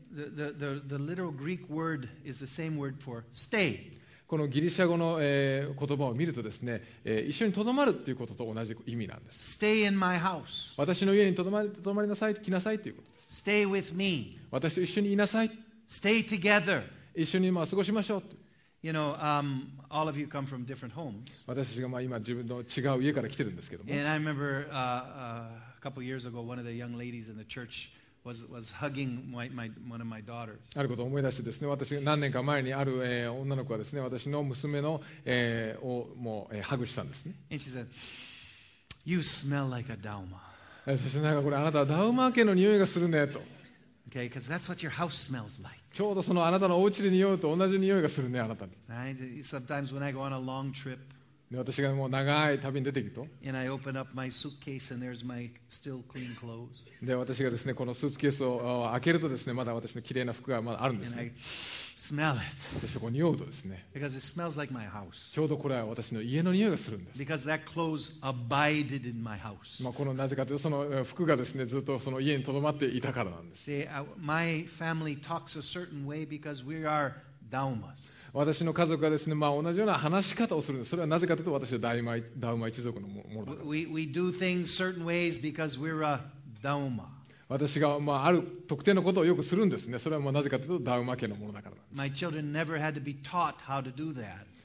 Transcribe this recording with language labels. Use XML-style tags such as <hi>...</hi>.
<en>The literal Greek word is the same word for stay.</en> <ja>このギリシャ語の、言葉を見るとですね、一緒にとどまるということと同じ意味なんです。</ja> <en>Stay in my house.</en> <ja>私の家にとどまりなさい、来なさいということです。</ja> <en>Stay with me.</en> <ja>私と一緒にいなさい。</ja> <en>Stay together.</en> <ja>一緒にまあ過ごしましょうと。</ja> <en>You know, all of you come from different homes.</en> <ja>私たちがまあ今自分の違う家から来てるんですけども。</ja> <en>And I remember, a couple years ago, one of the young ladies in the church was hugging one of my daughters.</en> <ja>あることを思い出してですね、私何年か前にある、女の子はですね、私の娘の、をもう、ハグしたんですね。</ja> <en>And she said, "You smell like a Dauma."</en> <ja>そしてなんかこれあなたはダウマー家の匂いがするねと。</ja> <en>Okay, because that's what your house smells like.</en> <ja>ちょうどそのあなたのお家で匂うと同じ匂いがするね、あなたに。</ja> <en>Sometimes when I go on a long trip,</en> <ja>私がもう長い旅に出てくると、</ja> <en>and I open up my suitcase and there's my still clean clothes.</en> <ja>で私がですね、このスーツケースを開けるとですね、まだ私の綺麗な服がまだあるんですね。</ja> <en>And I smell it.</en> <ja>でそこに匂うとですね、</ja> <en>because it smells like my house.</en> <ja>ちょうどこれは私の家の匂いがするんです。</ja> <en>Because that clothes abided in my house.</en> <ja>まあこのなぜかというとその服がですね、ずっとその家に留まっていたからなんです。</ja> <en>See, my family talks a certain way because we are Daumas.</en> <ja>私の家族がですね、まあ、同じような話し方をするんです。それはなぜかというと、私はダウマ一族のものだから。</ja> <en>We do things certain ways because we're a Dauma.</en> <ja>私が、まあ、ある特定のことをよくするんですね。それはもうなぜかというと、ダウマ家のものだからなんです。</ja> <en>My children never had to be taught how to do that.</en>